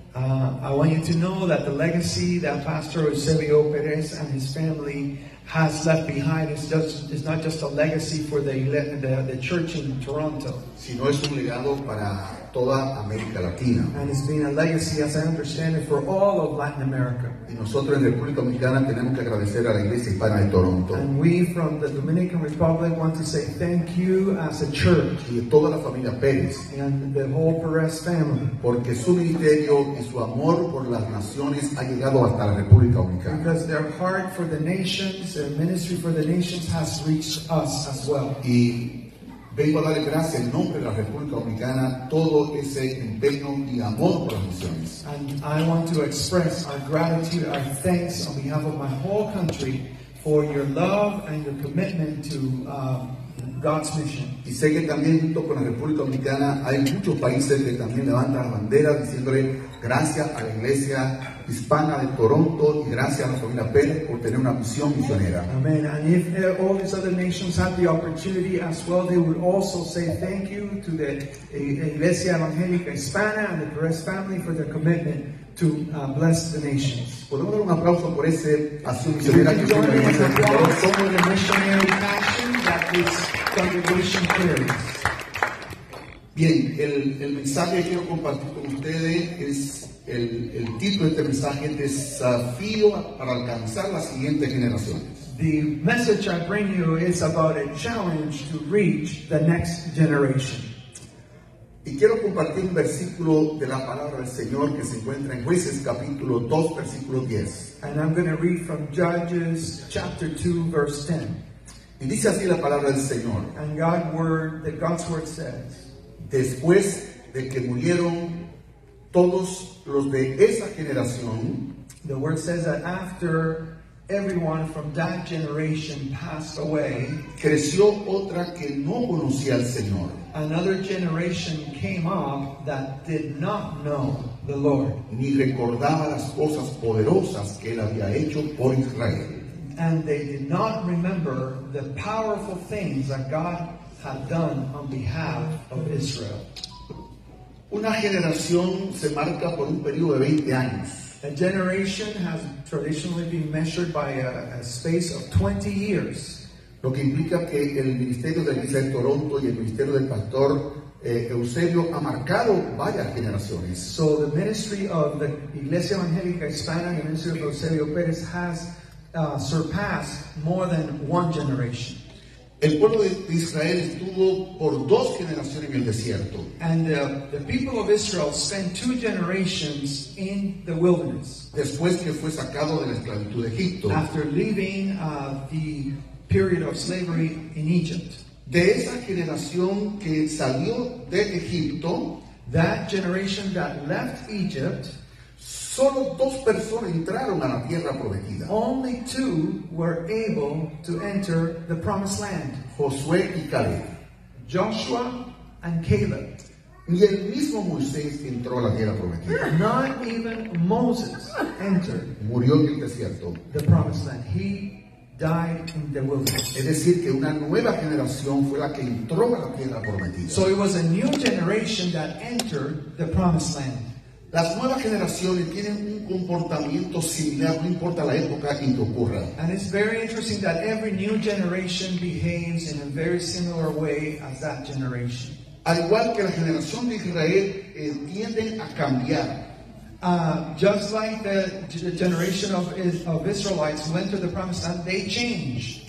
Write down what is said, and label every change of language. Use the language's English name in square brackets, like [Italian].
[English] I want you to know that the legacy that Pastor Eusebio Pérez and his family has left behind is not just a legacy for the church in Toronto, [Spanish] sino es un legado para toda América Latina. [English] And it's been a legacy, as I understand it, for all of Latin America. [Spanish] Y nosotros en República Dominicana tenemos que agradecer a la Iglesia Hispana de Toronto. [English] And we from the Dominican Republic want to say thank you as a church. [Spanish] Y toda la familia Pérez. [English] And the whole Pérez family. [Spanish] Porque su ministerio y su amor por las naciones ha llegado hasta la República Dominicana. [English] Because their heart for the nations, their ministry for the nations has reached us as well. [Spanish] Y vengo a darle gracias en nombre de la República Dominicana todo ese empeño y amor por las misiones. [English] And I want to express our gratitude, our thanks on behalf of my whole country for your love and your commitment to God's mission. [Spanish] Y sé que también junto con la República Dominicana hay muchos países que también levantan la bandera diciéndole gracias a la Iglesia Hispana de Toronto y gracias a la familia Pérez por tener una misión misionera. [English] Amen. And if all these other nations had the opportunity as well, they would also say thank you to the Iglesia Evangelica Hispana and the Pérez family for their commitment to bless the nations. [Spanish] Podemos dar un aplauso por ese pastor misionero que tiene en ese corazón de [English] missionary passion that this congregation carries. [Spanish] Bien, el mensaje que quiero compartir con ustedes es el título de este mensaje, desafío para alcanzar la siguiente generación. [English] The message I bring you is about a challenge to reach the next generation. [Spanish] Y quiero compartir un versículo de la palabra del Señor que se encuentra en Jueces capítulo 2, versículo 10. [English] And I'm going to read from Judges chapter 2, verse 10. [Spanish] Y dice así la palabra del Señor. [English] And God's word, that God's word says, [Spanish] después de que murieron todos los de esa generación, [English] the word says that after everyone from that generation passed away, [Spanish] creció otra que no conocía al Señor. [English] Another generation came up that did not know the Lord. [Spanish] Ni recordaba las cosas poderosas que él había hecho por Israel. [English] And they did not remember the powerful things that God had done on behalf of Israel. [Spanish] Una generación se marca por un periodo de 20 años. [English] A generation has traditionally been measured by a space of 20 years. [Spanish] Lo que implica que el ministerio de la Iglesia de Toronto y el ministerio del pastor Eusebio ha marcado varias generaciones. [English] So the ministry of the Iglesia Evangelica Hispana, the ministry of Eusebio Pérez, has surpassed more than one generation. [Spanish] El pueblo de Israel estuvo por dos generaciones en el desierto. [English] And the people of Israel spent two generations in the wilderness. [Spanish] Después que fue sacado de la esclavitud de Egipto. [English] After leaving the period of slavery in Egypt. [Spanish] De esa generación que salió de Egipto, [English] that generation that left Egypt, [Spanish] solo dos personas entraron a la tierra prometida. [English] Only two were able to enter the promised land. [Spanish] Josué y Caleb. [English] Joshua and Caleb. [Spanish] Ni el mismo Moisés entró a la tierra prometida. [English] Not even Moses entered. [Spanish] Murió en el desierto. [English] The promised land. He died in the wilderness. [Spanish] Es decir, que una nueva generación fue la que entró a la tierra prometida. [English] So it was a new generation that entered the promised land. [Spanish] Las nuevas generaciones tienen un comportamiento similar, no importa la época en que ocurra. [English] And it's very interesting that every new generation behaves in a very similar way as that generation. [Spanish] Al igual que la generación de Israel, tienden a cambiar. [English] Just like the generation of Israelites who entered the promised land, they changed.